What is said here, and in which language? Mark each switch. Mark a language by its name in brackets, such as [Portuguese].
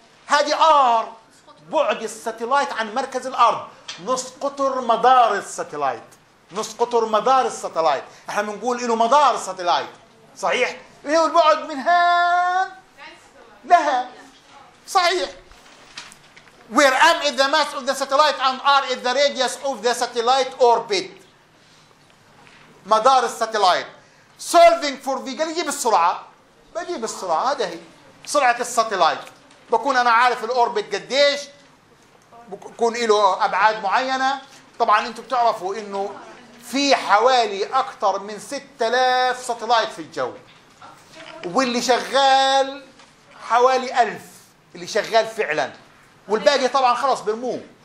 [Arabic] هذه ار بعد الساتلايت عن مركز الأرض، نص قطر مدار الساتلايت، نص قطر مدار الساتلايت. احنا بنقول له مدار الساتلايت، صحيح؟ اللي هو البعد من هان لها، صحيح. [English] Where M is the mass of the satellite and R is the radius of the satellite orbit. [Arabic] مدار الساتلايت. [English] Solving for V، [Arabic] قال يجيب السرعة، بجيب السرعة، هذا هي سرعة الساتلايت. بكون أنا عارف الأوربت قديش، بكون له أبعاد معينة. طبعا أنتم بتعرفوا إنه في حوالي أكثر من 6000 ساتلايت في الجو، واللي شغال حوالي 1000 اللي شغال فعلا، والباقي طبعا خلاص برموه.